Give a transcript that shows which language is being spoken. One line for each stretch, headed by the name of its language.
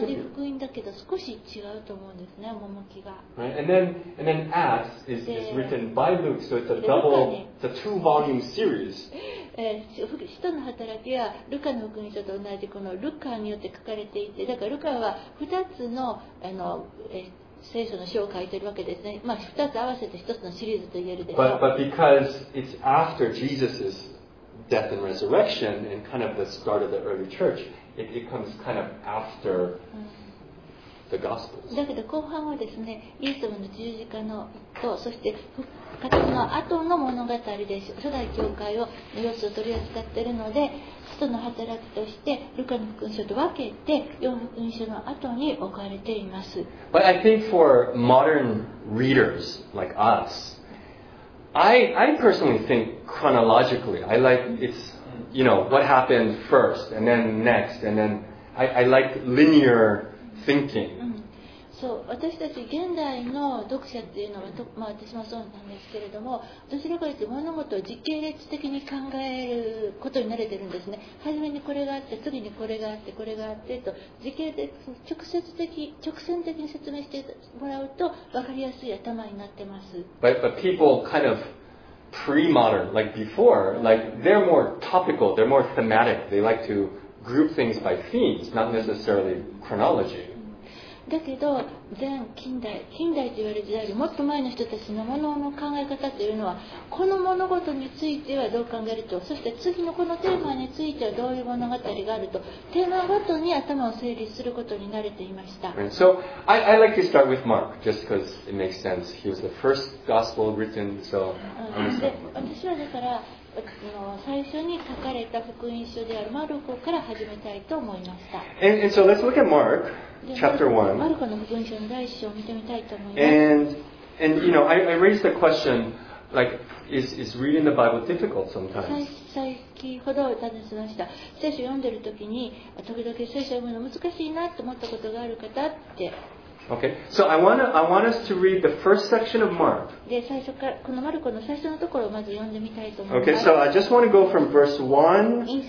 Japanese: 同じ福音だけど少し違うと思うんですね、趣が。
English: Right, and then Acts is written by Luke, so it's a double, it's a two-volume series.
Japanese: 使徒の働きはルカの福音書と同じこのルカによって書かれていて、だからルカは2つ の聖書の書を書いているわけですね。まあ、2つ合わせて1つのシリーズと言えるでしょう。
English: But because it's after Jesus' death and resurrection and kind of the start of the early church, it comes kind of after the Gospels.
Japanese: だけど後半はですね、イエス様の十字架のと、そして復活の後の物語でしょ。初代教会を様子を取り扱っているので、使徒の働きとしてルカの福音書と分けて、ヨハネの福音書の後に置かれています。
English: But I think for modern readers like us, I personally think chronologically. I like it's, you know, what happened first and then next and then I like linear thinking.
Japanese: そう、私たち現代の読者っていうのは、まあ、私もそうなんですけれども、どちらかというと物事を時系列的に考えることに慣れてるんですね。初めにこれがあって、次にこれがあって、これがあってと時系列直接的、直線的に説明してもらうと分かりやすい頭になってます。
English: But people kind of pre-modern, like before, like they're more topical, they're more thematic. They like to group things by themes, not necessarily chronology.
Japanese: だけど前近代と言われる時代よりもっと前の人たちのものの考え方というのはこの物事についてはどう考えるとそして次のこのテーマについてはどういう物語があるとテーマごとに頭を整理することに慣れていました。
English: Right. So I like to start with Mark just because it makes sense. He was the first gospel written, so.
Japanese: で私はだから最初に書かれた福音書であるマルコから始めたいと思いました。
English: And so let's look at Mark. Chapter 1.
Japanese: マルコの福音書の第一章を見てみたいと思います。
English: And you know, I raised the question, like, is reading the Bible difficult sometimes?
Japanese: 最近ほどお尋ねしました。聖書を読んでいるときに、時々聖書を読むの難しいなと思ったことがある方って。
English: Okay. So I want us to read the first section of Mark.
Japanese: で、最初からこのマルコの最初のところをまず読んでみたいと思います。
English: Okay. So I just want to go from verse 1.